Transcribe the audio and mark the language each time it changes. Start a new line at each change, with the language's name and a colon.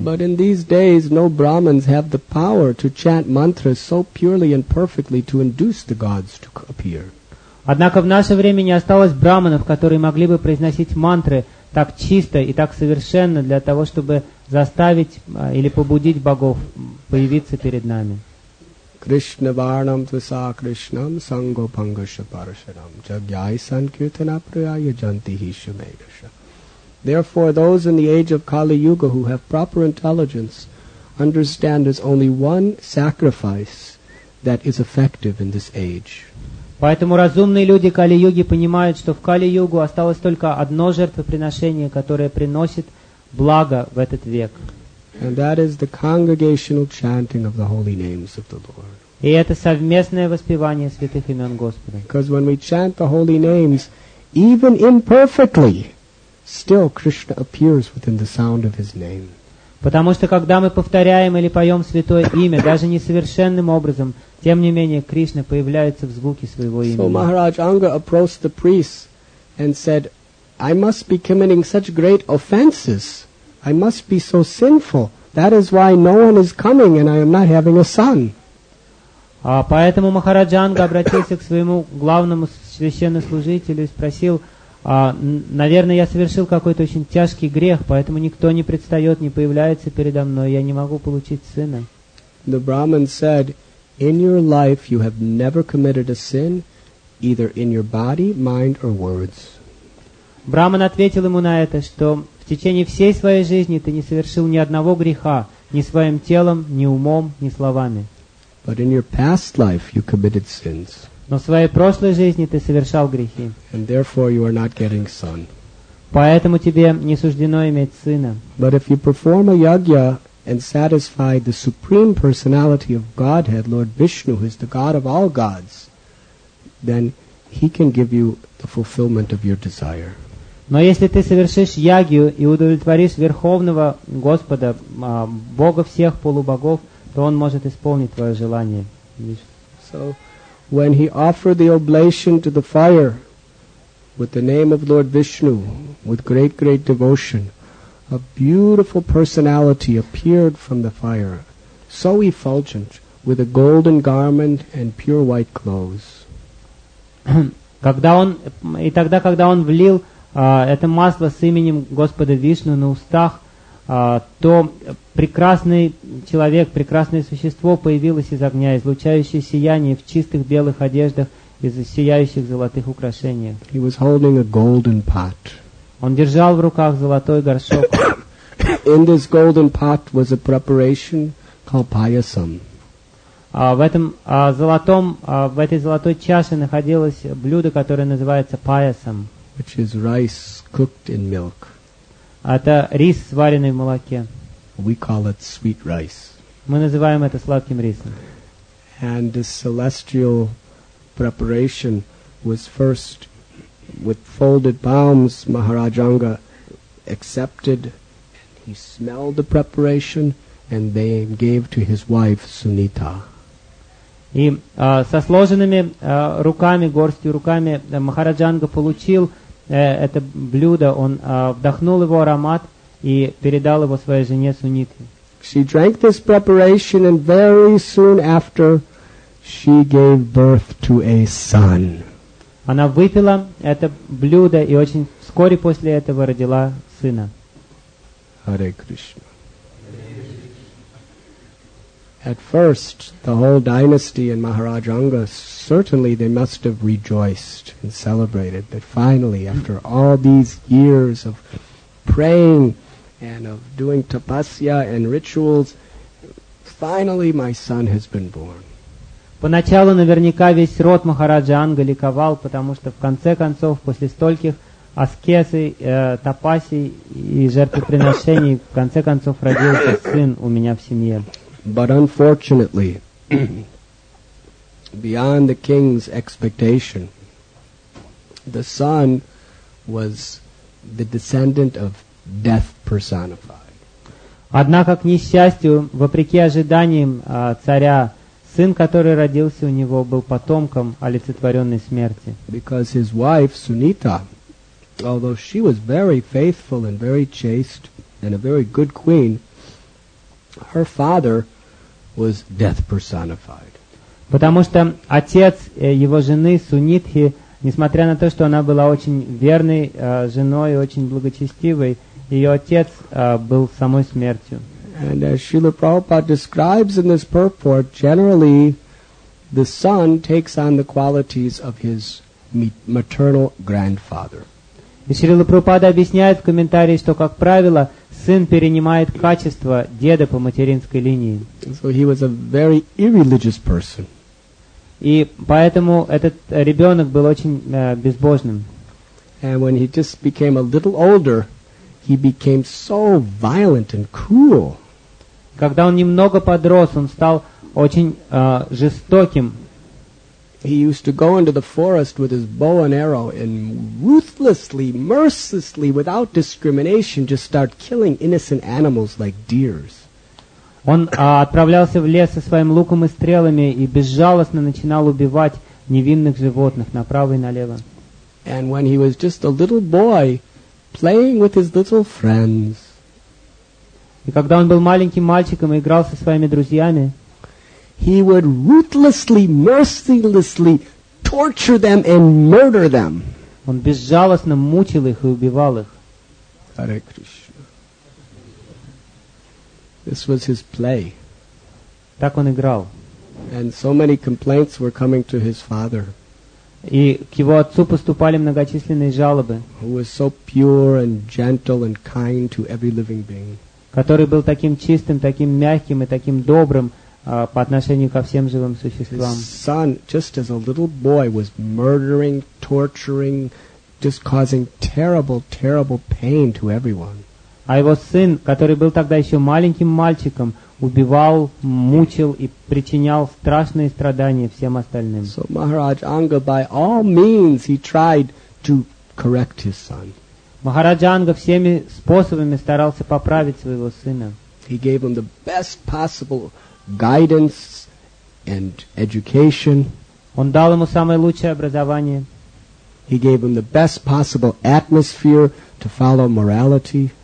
English: But in these days, no Brahmins have the power to chant mantras so purely and perfectly to induce the gods to appear.
Russian: Однако в наше время не осталось браманов, которые могли бы произносить мантры так чисто и так совершенно для того, чтобы заставить или побудить богов появиться перед нами.
Sanskrit: Krishna varnam tvasa krishnam sango pangasya parashanam jagyai sankirtana priyaya jantihi shumegasya.
English: Therefore, those in the age of Kali Yuga who have proper intelligence understand there's only one sacrifice that is effective in this age.
Russian: Поэтому разумные люди Кали Юги понимают, что в Кали Югу осталось только одно жертвоприношение, которое приносит благо в этот век.
English: And that is the congregational chanting of the holy names of the Lord.
Russian: И это совместное воспевание святых имен Господа.
English: Because when we chant the holy names, even imperfectly, still Krishna appears within the sound of his name.
Russian: Потому что когда мы повторяем или поем святое имя, даже несовершенным образом, тем не менее Кришна появляется в звуке своего имени.
English: So Maharaj Anga approached the priest and said, I must be committing such great offenses. I must be so sinful. That is why no one is coming and I am not having a son.
Russian: Поэтому Махараджанга обратился к своему главному священнослужителю и спросил, наверное, я совершил какой-то очень тяжкий грех, поэтому никто не предстает, не появляется передо мной, я не могу получить сына.
English: The Brahmin said, in your life you have never committed a sin, either in your body, mind or words.
Russian: Брахман ответил ему на это, что в течение всей своей жизни ты не совершил ни одного греха, ни своим телом, ни умом, ни словами.
English: But in your past life you committed sins.
Russian: Но в своей прошлой жизни ты совершал грехи.
English: And therefore you are not getting son.
Russian: Поэтому тебе не суждено иметь сына.
English: But if you perform a yagya and satisfy the supreme personality of Godhead, Lord Vishnu, who is the God of all gods, then he can give you the fulfillment of your desire.
Russian: Но если ты совершишь ягью и удовлетворишь Верховного Господа, Бога всех полубогов, то Он может исполнить твое желание.
English: So, when he offered the oblation to the fire with the name of Lord Vishnu, with great devotion, a beautiful personality appeared from the fire, so effulgent, with a golden garment and pure white clothes.
Russian: когда он влил это масло с именем Господа Вишну на устах, то прекрасный человек, прекрасное существо появилось из огня, излучающее сияние в чистых белых одеждах и сияющих золотых украшениях.
English: He was holding a golden pot.
Russian: Он держал в руках золотой горшок.
English: In this golden pot was a preparation called payasam.
Russian: В этой золотой чаше находилось блюдо, которое называется payasam.
English: Which is rice cooked in milk.
Russian: Это рис, сваренный в молоке.
English: We call it sweet rice.
Russian: Мы называем это сладким рисом.
English: And this celestial preparation was first with folded palms. Maharaj Anga accepted and he smelled the preparation and they gave to his wife Sunita.
Russian: И со сложенными руками, горстью руками Махараджанга получил это блюдо, он вдохнул его аромат и передал его своей жене Сунитхе.
English: She drank this preparation and very soon after she gave birth to a son.
Russian: Она выпила это блюдо и очень вскоре после этого родила сына.
Sanskrit: Hare Krishna.
English: At first, the whole dynasty and Maharaj Anga, certainly they must have rejoiced and celebrated that finally, after all these years of praying and of doing tapasya and rituals, finally my son has been born.
Russian: Поначалу наверняка весь род Махараджа Анга ликовал, потому что в конце концов, после стольких аскезы, тапаси и жертвоприношений, в конце концов родился сын у меня в семье.
English: But unfortunately, beyond the king's expectation, the son was the descendant of death personified.
Russian: Однако, к несчастью, вопреки ожиданиям царя, сын, который родился у него, был потомком олицетворенной смерти.
English: Because his wife, Sunita, although she was very faithful and very chaste and a very good queen, her father was death personified.
Russian: Потому что отец его жены, Сунитхи, несмотря на то, что она была очень верной женой и очень благочестивой, ее отец был самой смертью.
English: And as Srila Prabhupada describes in this purport, generally the son takes on the qualities of his maternal grandfather.
Russian: И Шрила Прабхупада объясняет в комментарии, что, как правило, сын перенимает качества деда по материнской линии.
English: So he was a very irreligious person.
Russian: И поэтому этот ребенок был очень безбожным.
English: And when he just became a little older, he became so violent and cruel.
Russian: Когда он немного подрос, он стал очень жестоким.
English: He used to go into the forest with his bow and arrow and ruthlessly, mercilessly, without discrimination, just start killing innocent animals like deers.
Russian: Он отправлялся в лес со своим луком и стрелами и безжалостно начинал убивать невинных животных направо и налево.
English: And when he was just a little boy, playing with his little friends,
Russian: и когда он был маленьким мальчиком и играл со своими друзьями,
English: he would ruthlessly, mercilessly torture them and murder them.
Russian: Он безжалостно мучил их и убивал их.
Sanskrit: Hare Krishna.
English: This was his play.
Russian: Так он играл.
English: And so many complaints were coming to his father.
Russian: И к его отцу поступали многочисленные жалобы.
English: Who was so pure and gentle and kind to every living being.
Russian: Который был таким чистым, таким мягким и таким добрым по отношению ко всем живым существам.
English: His son, just as a little boy, was murdering, torturing, just causing terrible, terrible pain to everyone.
Russian: А его сын, который был тогда еще маленьким мальчиком, убивал, мучил и причинял страшные страдания всем остальным.
English: So Maharaj Anga, by all means, he tried to correct his son.
Russian: Махараджа Анга всеми способами старался поправить своего сына.
English: He gave him the best possible guidance and education.
Russian: Он дал ему самое лучшее образование.
English: He gave him the best possible atmosphere to follow morality.